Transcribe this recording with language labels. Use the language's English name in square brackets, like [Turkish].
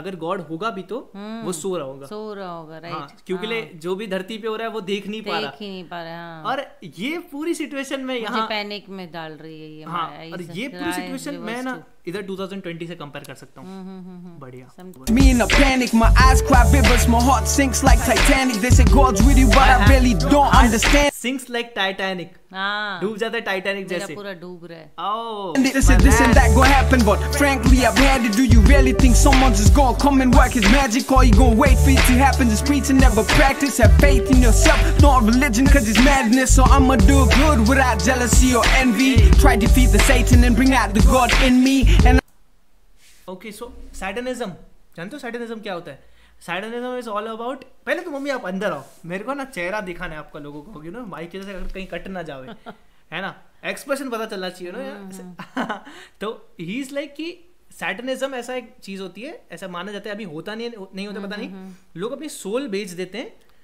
[Hindi] अगर गॉड होगा भी तो वो सो रहा होगा. सो रहा होगा राइट, क्योंकि जो भी धरती पे हो रहा है वो देख नहीं पा रहा, देख ही नहीं पा रहा. हां, और ये पूरी सिचुएशन में यहाँ पैनिक में डाल रही है ये. हाँ, और ये पूरी सिचुएशन मैं ना इधर 2020 से कंपेयर कर सकता हूँ. बढ़िया. [English] Me in a panic, my eyes cry rivers, my heart sinks like Titanic. They say God's with you, but I really don't understand. Sinks like Titanic. [Hindi] डूब जाता है टाइटैनिक जैसे, पूरा डूब रहा है. [English] Oh, this is this and that go happen, but frankly I've had it. Do you really think someone's just gonna come and work his magic, or you gonna wait for it to happen? Just preach and never practice. Have faith in yourself, not a religion, 'cause it's madness. So I'ma do good without jealousy or envy. Try to defeat the Satan and bring out the God in me. And okay, so Satanism. [Hindi] जानते हो Satanism क्या होता है? [English] Satanism is all about, [Hindi] पहले तो mummy आप अंदर आओ, मेरे को ना चेहरा दिखाना है आपका लोगों को, क्योंकि ना माइक जैसे कहीं कट ना जावे, है ना, एक्सप्रेशन पता चलना चाहिए ना. तो [English] he is like [Hindi] कि Satanism ऐसा एक चीज होती है, ऐसा माना जाता है, अभी होता नहीं, नहीं होता पता नहीं, लोग अपनी सोल बेच देते हैं.